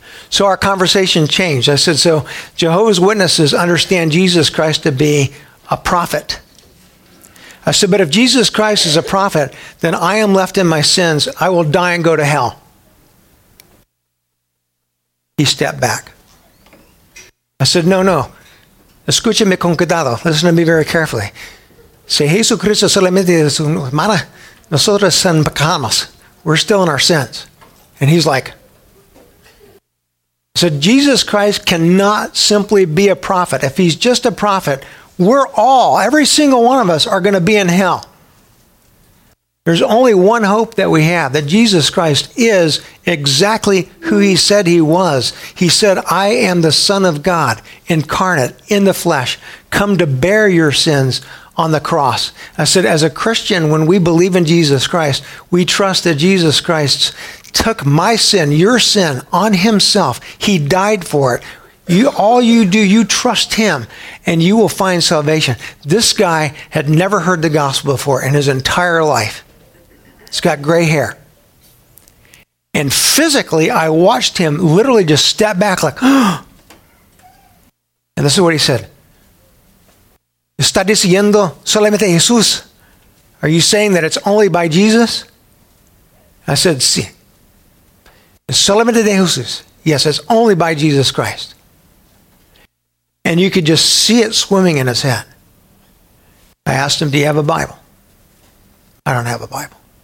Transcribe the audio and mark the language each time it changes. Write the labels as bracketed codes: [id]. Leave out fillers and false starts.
[en] So our conversation changed. I said, so Jehovah's Witnesses understand Jesus Christ to be a prophet. I said, but if Jesus Christ is a prophet, then I am left in my sins. I will die and go to hell. He stepped back. I said, no, no. [es] Escúchame con cuidado. [en] Listen to me very carefully. [es] Si Jesucristo solamente es un hermano, nosotros son pecados. [en] We're still in our sins. And he's like, so Jesus Christ cannot simply be a prophet. If he's just a prophet, we're all, every single one of us, are going to be in hell. There's only one hope that we have, that Jesus Christ is exactly who he said he was. He said, I am the Son of God, incarnate, in the flesh, come to bear your sins on the cross. I said, as a Christian, when we believe in Jesus Christ, we trust that Jesus Christ took my sin, your sin, on himself. He died for it. You trust him, and you will find salvation. This guy had never heard the gospel before in his entire life. He's got gray hair. And physically, I watched him literally just step back like, and this is what he said. [es] ¿Está diciendo solamente Jesús? [en] Are you saying that it's only by Jesus? I said, sí. [es] Solamente de Jesús. [en] Yes, it's only by Jesus Christ. And you could just see it swimming in his head. I asked him, do you have a Bible? I don't have a Bible.